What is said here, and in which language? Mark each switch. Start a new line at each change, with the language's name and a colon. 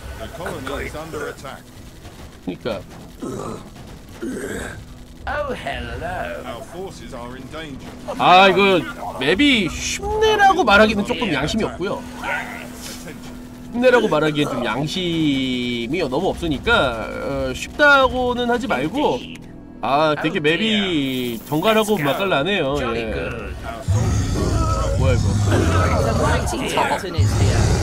English: The colony is under attack.
Korean: 그러니까.
English: Oh hello. Our forces are in danger.
Korean: 아 이거 맵이 쉽네라고 말하기는 조금 양심이 없고요. 쉽네라고 말하기엔 좀 양심이 너무 없으니까 쉽다고는 하지 말고 아 되게 맵이 정갈하고 맛깔나네요. 예. 뭐야 이거.
English: The mighty Titan is here.